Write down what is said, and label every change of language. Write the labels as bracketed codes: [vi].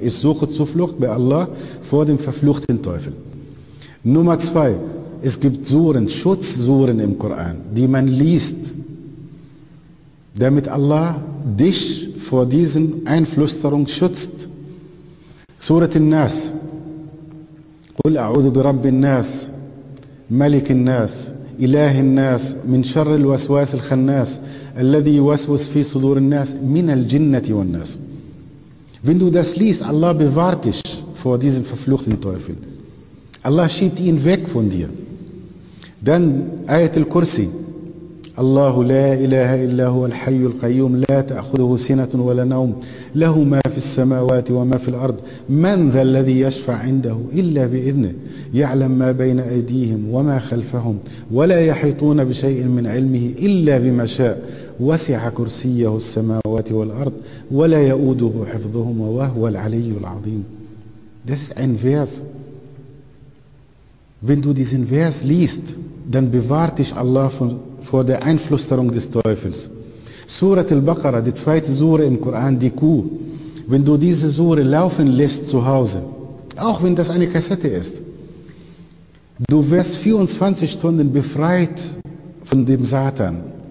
[de] Ich suche Zuflucht bei Allah vor dem verfluchten Teufel. Nummer zwei, es gibt Suren, Schutzsuren im Koran, die man liest, damit Allah dich vor diesen Einflüsterungen schützt. Surat al-Nas. [ar] قل أعوذ برب الناس ملك الناس إله الناس من شر الوسواس الخناس الذي يوسوس في صدور الناس من الجنة والناس. [de] Wenn du das liest, Allah bewahrt dich vor diesem verfluchten Teufel. Allah schiebt ihn weg von dir. Dann [ar] آية الكرسي. الله لا إله إلا هو الحي القيوم لا تأخذه سنة ولا نوم له ما في السماوات وما في الأرض من ذا الذي يشفع عنده إلا بإذنه يعلم ما بين أيديهم وما خلفهم ولا يحيطون بشيء من علمه إلا بما شاء وسع كرسيه السماوات والأرض ولا يؤوده حفظهما وهو العلي العظيم. [de] Das ist ein Vers. Wenn du diesen Vers liest, dann bewahrt dich Allah vor der Einflüsterung des Teufels. Surat al-Baqarah, die zweite Sure im Koran, die Kuh. Wenn du diese Sure laufen lässt zu Hause, auch wenn das eine Kassette ist, du wirst 24 Stunden befreit von dem Satan.